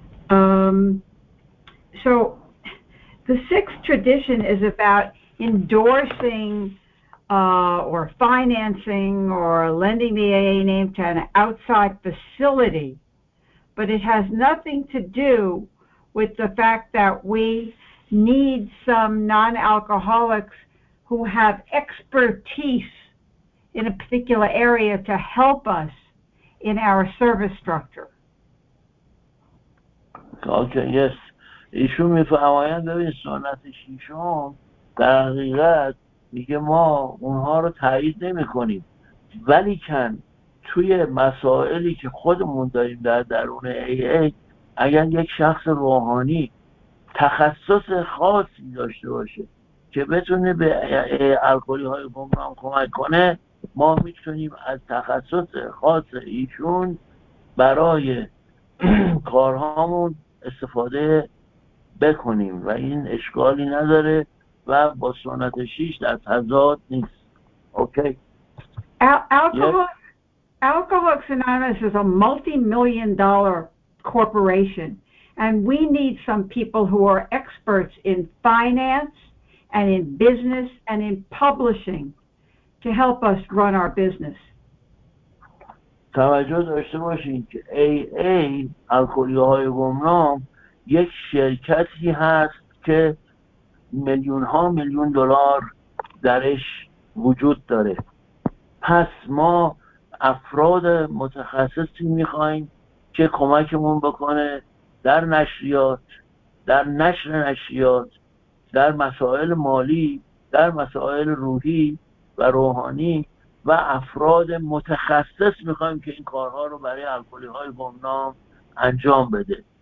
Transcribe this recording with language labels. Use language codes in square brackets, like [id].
[en] So the sixth tradition is about endorsing or financing or lending the AA name to an outside facility, but it has nothing to do with the fact that we need some non-alcoholics who have expertise in a particular area to help us in our service structure. Okay, yes. [fa] ایشون میفرماید ببین سنت ششم در حقیقت میگه ما اونها رو تایید نمی کنیم، ولی کن توی مسائلی که خودمون داریم در درون AA اگر یک شخص روحانی تخصص خاصی داشته باشه که بتونه به الکلی های گمنام کمک کنه، ما میتونیم از تخصص خاص ایشون برای کارهامون استفاده بکنیم و این اشکالی نداره و با سنت 6 در تضاد نیست. اوکی. [en] Alcoholics Anonymous is a multi-million dollar corporation. And we need some people who are experts in finance and in business and in publishing to help us run our business. [fa] توجه داشته باشین که AA الکلی‌های گمنام یک شرکتی هست که میلیون ها میلیون دلار درش وجود داره. پس ما افراد متخصصی میخواییم که کمکمون بکنه در نشریات، در نشر نشریات، در مسائل مالی، در مسائل روحی و روحانی، و افراد متخصص میخواییم که این کارها رو برای الکلی‌های گمنام انجام بده.